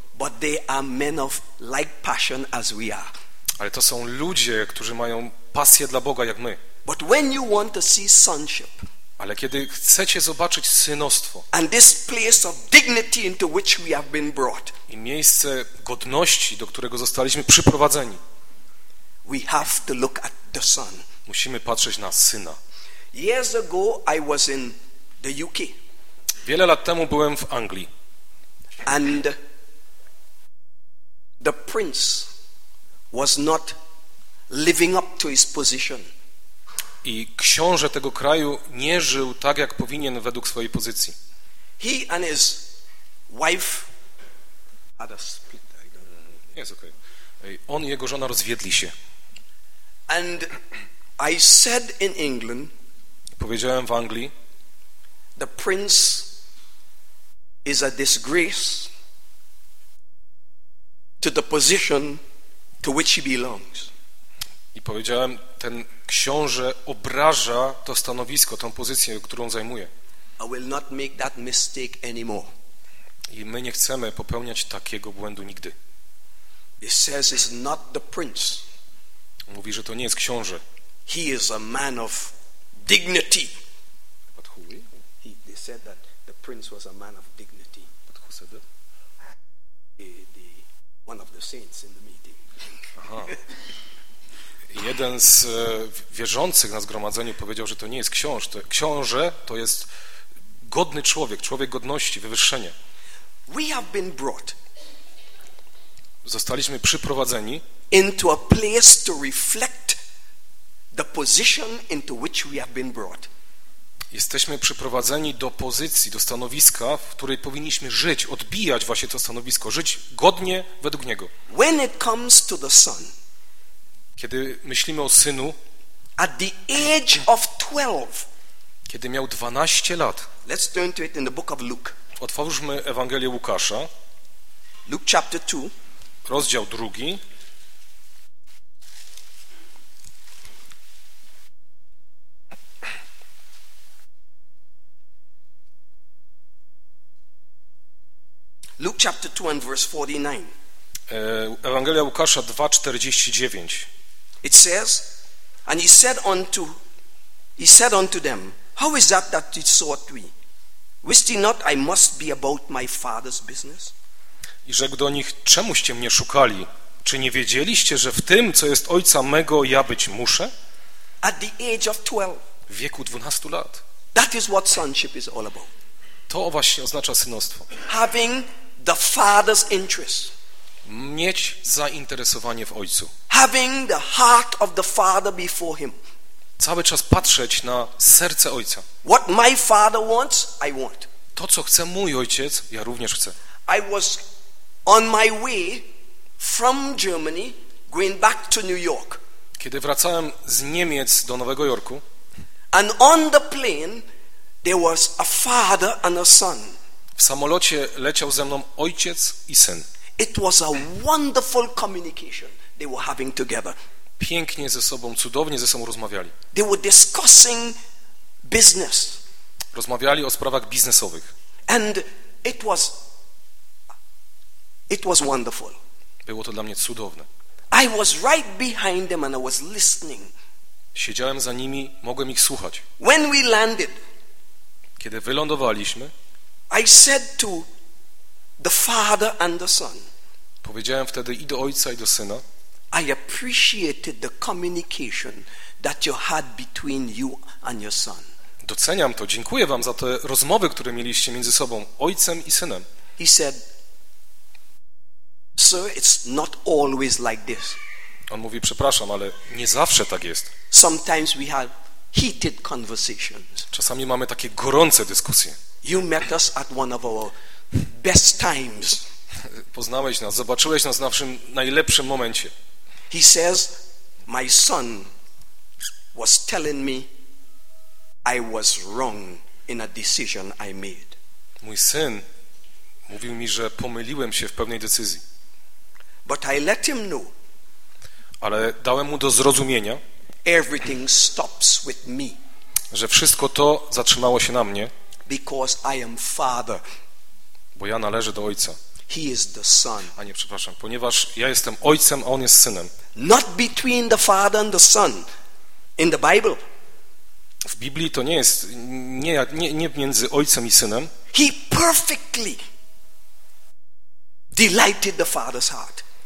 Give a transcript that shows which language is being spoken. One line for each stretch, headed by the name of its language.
English: But they are men of like passion as we are.
Polish: Ale to są ludzie, którzy mają pasję dla Boga jak my.
English: But when you want to see sonship.
Polish: Ale kiedy chcecie zobaczyć synostwo.
English: And this place of dignity into which we have been brought.
Polish: I miejsce godności, do którego zostaliśmy przyprowadzeni.
English: We have to look at the son.
Polish: Musimy patrzeć na syna.
English: Years ago I was in the UK.
Polish: Wiele lat temu byłem w Anglii.
English: And the prince was not living up to his position.
Polish: I książę tego kraju nie żył tak, jak powinien według swojej pozycji.
English: He and his wife had a split.
Polish: Jest okej. On i jego żona rozwiedli się.
English: And I said in England,
Polish: powiedziałem w Anglii,
English: the prince is a disgrace to the position to which he belongs.
Polish: I powiedziałem, ten książę obraża to stanowisko, tą pozycję, którą zajmuje.
English: I will not make that mistake anymore.
Polish: I my nie chcemy popełniać takiego błędu nigdy.
English: He says it's not the prince.
Polish: Mówi, że to nie jest książę.
English: He is a man of dignity. But who? They said that the prince was a man of dignity. But who said that? One of the saints in the meeting. Aha.
Polish: Jeden z wierzących na zgromadzeniu powiedział, że to nie jest książę. Książę to jest godny człowiek, człowiek godności, wywyższenie.
English: We have been brought.
Polish: Zostaliśmy przyprowadzeni
English: into a place to reflect the position into which we have been brought.
Polish: Jesteśmy przyprowadzeni do pozycji, do stanowiska, w której powinniśmy żyć, odbijać właśnie to stanowisko, żyć godnie według niego.
English: When it comes to the son,
Polish: kiedy myślimy o synu,
English: at the age of 12,
Polish: kiedy miał 12 lat,
English: let's turn to it in the book of Luke.
Polish: Otwórzmy Ewangelię Łukasza.
English: Luke chapter 2.
Polish: Rozdział 2.
English: Luke chapter 2 and verse 49.
Polish: Ewangelia Łukasza 2:49.
English: It says, and he said unto them, how is that that ye sought me? Wist ye not I must be about my father's business?
Polish: I rzekł do nich, czemuście mnie szukali? Czy nie wiedzieliście, że w tym, co jest ojca mego, ja być muszę?
English: At the age of 12.
Polish: W wieku 12 lat.
English: That is what sonship is all about.
Polish: To właśnie oznacza synostwo.
English: Having the father's interest.
Polish: Mieć zainteresowanie w ojcu.
English: Having the heart of the father before him.
Polish: Cały czas patrzeć na serce ojca.
English: What my father wants, I want.
Polish: To, co chce mój ojciec, ja również chcę.
English: I was on my way from Germany going back to New York.
Polish: Kiedy wracałem z Niemiec do Nowego Jorku.
English: And on the plane there was a father and a son.
Polish: W samolocie leciał ze mną ojciec i syn.
English: It was a wonderful communication they were having together.
Polish: Pięknie ze sobą, cudownie ze sobą rozmawiali.
English: They were discussing business.
Polish: Rozmawiali o sprawach biznesowych.
English: And it was wonderful.
Polish: Było to dla mnie cudowne.
English: I was right behind them and I was listening.
Polish: Siedziałem za nimi, mogłem ich słuchać.
English: When we landed,
Polish: kiedy wylądowaliśmy,
English: I said to the father and the son,
Polish: powiedziałem wtedy i do ojca i do syna,
English: I appreciated the communication that you had between you and your son.
Polish: Doceniam to, dziękuję wam za te rozmowy, które mieliście między sobą, ojcem i synem.
English: He said, sir, it's not always like this.
Polish: On mówi, przepraszam, ale nie zawsze tak jest.
English: Sometimes we have heated conversations.
Polish: Czasami mamy takie gorące dyskusje.
English: You met us at one of our best times.
Polish: Poznałeś nas, zobaczyłeś nas w naszym najlepszym momencie.
English: He says, my son was telling me I was wrong in a decision I made.
Polish: Mój syn mówił mi, że pomyliłem się w pewnej decyzji.
English: But I let him know.
Polish: Ale dałem mu do zrozumienia.
English: Everything stops with me.
Polish: Że wszystko to zatrzymało się na mnie.
English: Because I am father.
Polish: Bo ja należę do ojca.
English: He is the son.
Polish: A nie, przepraszam, ponieważ ja jestem ojcem, a on jest synem.
English: Not between the father and the son in the Bible.
Polish: W Biblii to nie jest nie między ojcem i synem.
English: He perfectly delighted the father's heart.